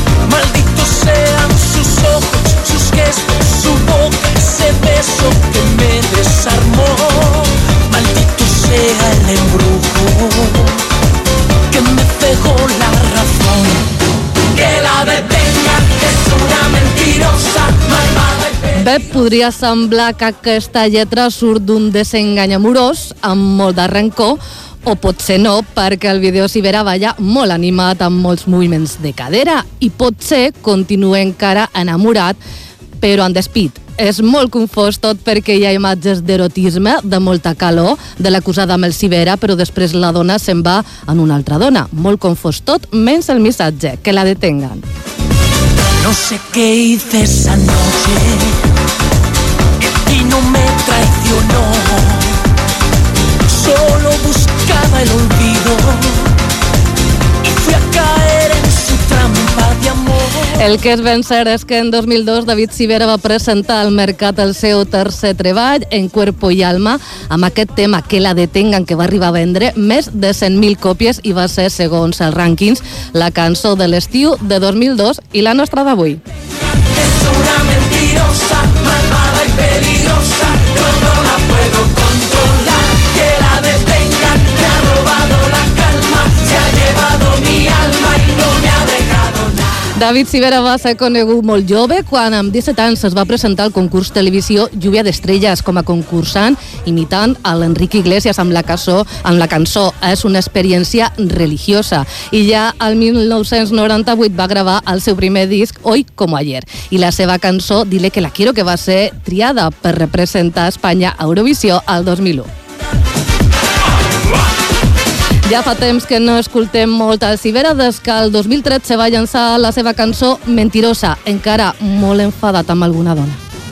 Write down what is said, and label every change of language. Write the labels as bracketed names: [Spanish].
[Spanish] Malditos sean sus ojos, sus gestos, su boca, ese beso que me desarmó. Maldito sea el embrujo que me cegó la razón. Que la detenga, es una mentirosa, malvada. [Catalan] Bé, podria semblar que aquesta lletra surt d'un desengany amorós amb molt de rancor, o potser no, perquè el vídeo s'hi verà ballar molt animat amb molts moviments de cadera i potser continua encara enamorat, però en despit. És molt confós tot perquè hi ha imatges d'erotisme, de molta calor, de l'acusada amb el Cibera, però després la dona se'n va en una altra dona. Molt confós tot, menys el missatge, que la detengan. [Spanish] No sé qué hice esa noche, el vino me traicionó. Solo buscaba el olvido y fui a caer en su trampa de amor. [Catalan] El que és ben cert és que en 2002 David Civera va presentar al mercat el seu tercer treball, En Cuerpo y Alma, amb aquest tema, Que la detengan, que va arribar a vendre més de 100.000 còpies i va ser, segons els rànquings, la cançó de l'estiu de 2002 i la nostra d'avui. [Spanish] És una mentirosa, malvada y peligrosa, yo no la puedo controlar. Que la detenga, me ha robado la calma, se ha llevado mi alma y no me ha dejado nada. [Catalan] David Civera va ser conegut molt jove quan amb 17 anys es va presentar al concurs televisió Lluvia d'Estrelles com a concursant, imitant a l'Enric Iglesias amb la cançó És una experiència religiosa. I ja el 1998 va gravar el seu primer disc Hoy como ayer. I la seva cançó Dile que la quiero, que va ser triada per representar Espanya a Eurovisió el 2001. Ja fa temps que no escoltem molt el Civera des que el 2013 va llançar la seva cançó Mentirosa, encara molt enfadat amb alguna dona.